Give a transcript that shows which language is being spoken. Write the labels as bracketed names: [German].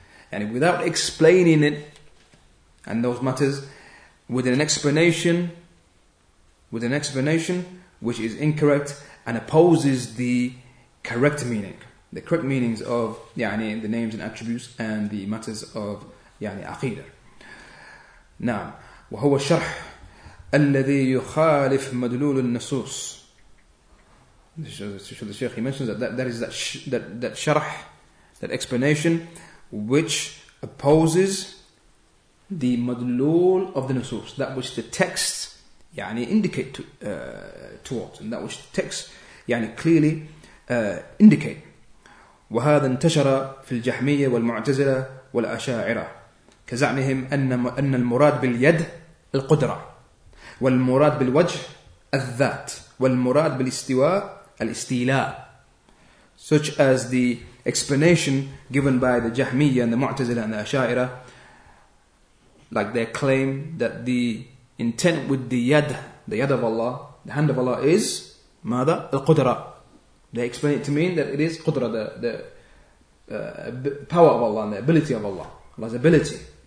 [English] And without explaining it, and those matters, with an explanation which is incorrect and opposes the correct meaning, the correct meanings of يعني the names and attributes and the matters of يعني aqidah. [Arabic] نعم وهو الشرح الذي يخالف مدلول النصوص. [English] So the Sheikh, he mentions that sharh, that explanation which opposes the madlul of the nasus, that which the text يعني indicate towards, and that which the text يعني clearly indicate. [Arabic] وهذا انتشر في الجحمية والمعتزلة والأشاعرة كزعمهم أن المراد باليد القدرة والمراد بالوجه الذات والمراد بالاستواء الاستيلاء. [English] Such as the explanation given by the Jahmiyyah and the Mu'tazila and the Ashaira, like their claim that the intent with the yad of Allah, the hand of Allah, is [Arabic] ماذا؟ القدرة. [English] They explain it to mean that it is قدرة, the power of Allah and the ability of Allah, Allah's ability.